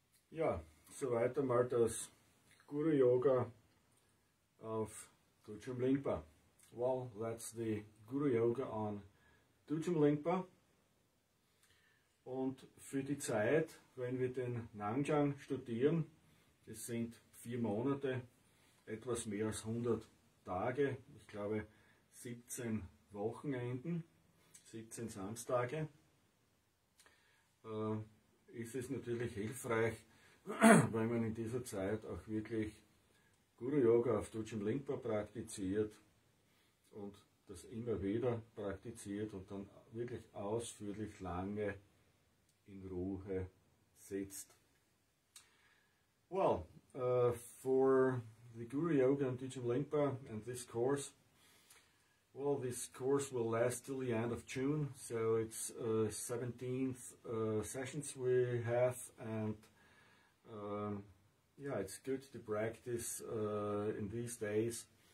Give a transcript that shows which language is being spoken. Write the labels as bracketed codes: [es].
[de] Ja, soweit einmal das Guru Yoga auf Dzogchen Lingpa. [en] Well, that's the Guru Yoga on Dzogchen Lingpa. [de] Und für die Zeit, wenn wir den Nangjang studieren, das sind 4 Monate, etwas mehr als 100 Tage, ich glaube 17 Wochenenden, 17 Samstage, ist es natürlich hilfreich, weil man in dieser Zeit auch wirklich Guru Yoga auf Dzogchen Lingpa praktiziert und das immer wieder praktiziert und dann wirklich ausführlich lange in Ruhe sitzt. [en] Well, for the Guru Yoga and Dzogchen Lingpa and this course, well, this course will last till the end of June, so it's 17th sessions we have, and yeah, it's good to practice in these days.